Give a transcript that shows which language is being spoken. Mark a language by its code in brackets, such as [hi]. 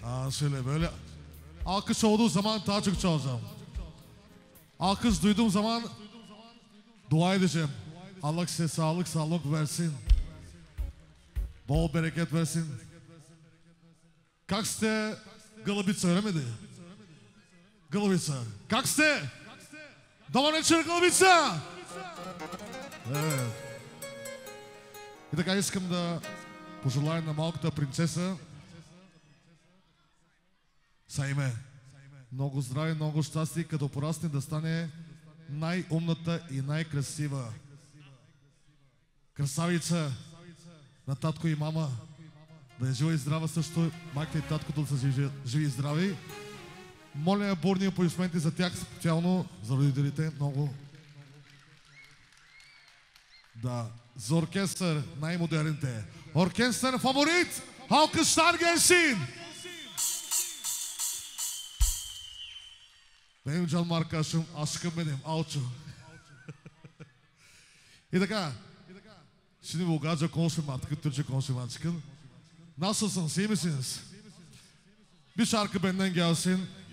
[tr] Şöyle böyle, alkış olduğu zaman daha çok çalacağım. Alkış duyduğum zaman dua edeceğim. Allah size sağlık, sağlık versin. Bol bereket versin. [bg] Как сте, Голубица, [tr] öyle miydi? [bg] Голубица. Как сте? Добър вечер, Голубица! Evet. И така искам да пожелая на малката принцеса Саиме, много здраве, много щастие, като порасне да стане най-умната и най-красива красавица на татко и мама. Да е жива и здрава също, майка и таткото да са живи и здрави. Моля бурни аплодисменти за тях, специално за родителите, много. Да, за оркестър най-модерните. Оркестър фаворит, Халка Штаргенсин! [tr] Benim canım arkadaşım, aşkım benim, Alço. İdaka. Şimdi Bulgarca konuşayım artık, Türkçe konuşayım artık. Nasılsınız, iyi misiniz? Bir şarkı benden gelsin.